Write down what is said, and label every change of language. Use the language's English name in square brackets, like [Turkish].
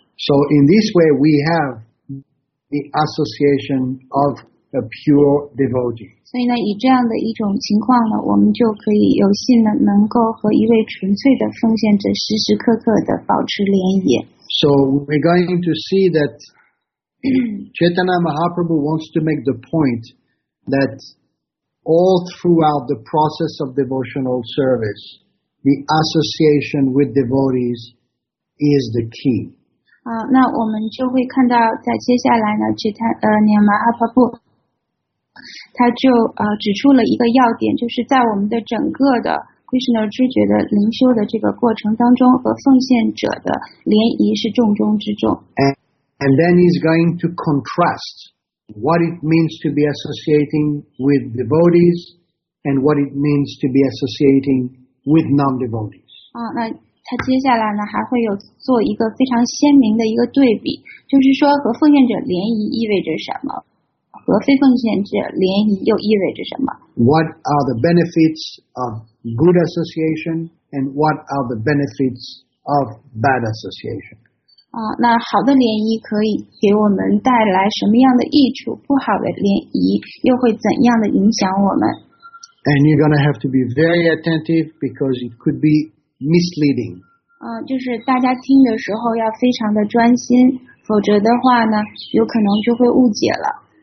[English] So in this way we have the association of a pure devotee. [Chinese] 所以呢，以这样的一种情况呢，我们就可以有幸呢，能够和一位纯粹的奉献者时时刻刻的保持联谊。 [English] So we're going to see that Chaitanya Mahaprabhu wants to make the point that all throughout the process of devotional service,The association with devotees is the key. [Chinese] 那我们就会看到，在接下来呢，Chaitanya Mahaprabhu他就指出了一个要点，就是在我们的整个的 Krishna 知觉的灵修的这个过程当中，和奉献者的联谊是重中之重。 [English] And then he's going to contrast what it means to be associating with devotees and what it means to be associating. With non-devotees. [Chinese] 那他接下来呢还会有做一个非常鲜明的一个对比，就是说和奉献者联谊意味着什么，和非奉献者联谊又意味着什么。 [English] What are the benefits of good association and what are the benefits of bad association? [Chinese] 那好的联谊可以给我们带来什么样的益处，不好的联谊又会怎样的影响我们。 [English] And you're going to have to be very attentive because it could be misleading. [Chinese] 就是大家听的时候要非常的专心，否则的话呢，有可能就会误解了。